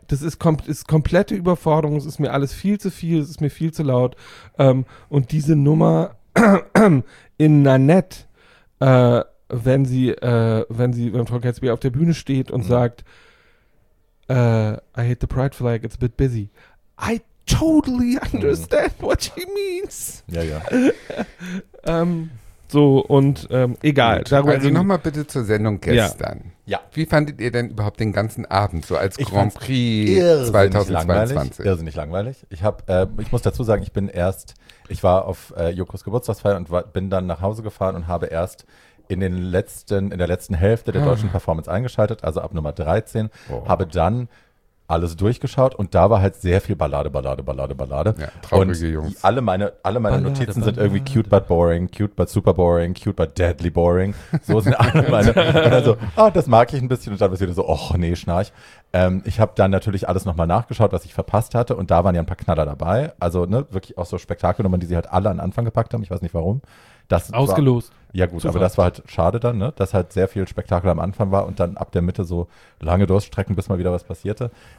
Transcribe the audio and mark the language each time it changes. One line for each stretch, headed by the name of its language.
German: Das ist komplette Überforderung, es ist mir alles viel zu viel, es ist mir viel zu laut. Und diese Nummer in Nanette, wenn Frau Gatsby auf der Bühne steht und sagt,
English: I hate the pride flag, it's a bit busy. I totally understand what she means.
German: Ja. Egal. Darüber also nochmal bitte zur Sendung gestern. Ja. Wie fandet ihr denn überhaupt den ganzen Abend so als Grand Prix 2022? Irrsinnig langweilig. Ich muss dazu sagen, ich war auf Jokos Geburtstagsfeier und bin dann nach Hause gefahren und habe erst in der letzten Hälfte der deutschen Performance eingeschaltet, also ab Nummer 13, habe dann alles durchgeschaut und da war halt sehr viel Ballade. Ja, traurige und Jungs. Alle meine Ballade, Notizen sind Ballade. Irgendwie
English: cute but boring, cute but super boring, cute but deadly boring.
German: So sind alle meine. Und dann so, das mag ich ein bisschen. Und dann war es wieder so, oh nee, Schnarch. Ich habe dann natürlich alles nochmal nachgeschaut, was ich verpasst hatte. Und da waren ja ein paar Knaller dabei. Also ne, wirklich auch so Spektakelnummern, die sie halt alle an den Anfang gepackt haben. Ich weiß nicht warum. Das ausgelost. Ja gut, aber das war halt schade dann, ne? Dass halt sehr viel Spektakel am Anfang war und dann ab der Mitte so lange Durststrecken, bis mal wieder was passierte.